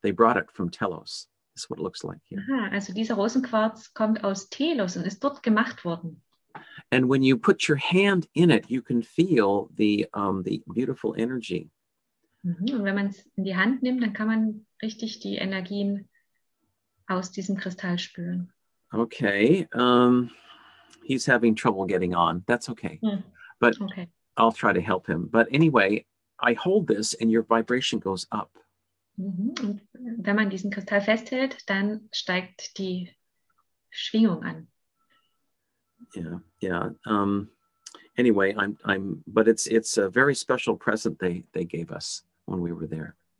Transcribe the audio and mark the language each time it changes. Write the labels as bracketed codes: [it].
[en] They brought it from Telos. That's what it looks like here. [de] Aha, also dieser Rosenquarz kommt aus Telos und ist dort gemacht worden. [en] And when you put your hand in it, you can feel the beautiful energy. [de] Und wenn man es in die Hand nimmt, dann kann man richtig die Energien aus diesem Kristall spüren. [en] Okay, he's having trouble getting on. That's okay. But okay. I'll try to help him. But anyway, I hold this and your vibration goes up. [de] Und wenn man diesen Kristall festhält, dann steigt die Schwingung an. [en] Yeah. Anyway, but it's a very special present they gave us when we were there.